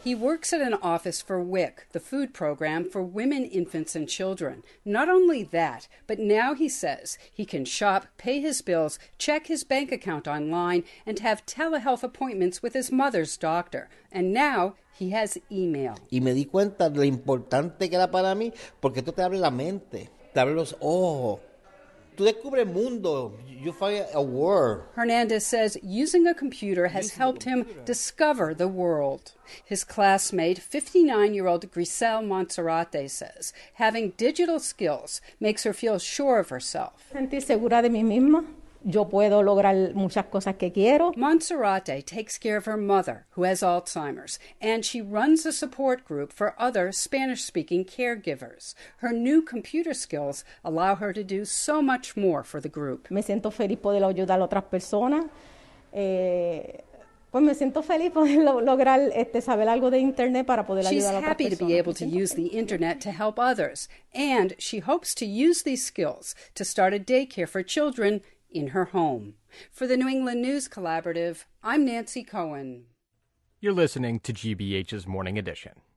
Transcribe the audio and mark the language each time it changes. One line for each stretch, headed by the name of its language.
English: He works at an office for WIC, the food program for women, infants, and children. Not only that, but now he says he can shop, pay his bills, check his bank account online, and have telehealth appointments with his mother's doctor. And now he has email.
Spanish: Y me di cuenta de lo importante que era para mí, porque esto te abre la mente, te abre los ojos.
English: You find a word. Hernandez says using a computer has helped him discover the world. His classmate, 59-year-old Grisel Monserrate, says having digital skills makes her feel sure of herself.
Spanish: Sentí segura de mí misma. Yo puedo lograr muchas cosas que quiero.
English: Monserrate takes care of her mother, who has Alzheimer's, and she runs a support group for other Spanish-speaking caregivers. Her new computer skills allow her to do so much more for the group.
Spanish: Me siento feliz poder ayudar a otras personas. Pues me siento feliz poder lograr saber algo de internet para poder ayudar a otras personas.
English: She's happy to be able to use the internet to help others, and she hopes to use these skills to start a daycare for children in her home. For the New England News Collaborative, I'm Nancy Cohen. You're listening to GBH's Morning Edition.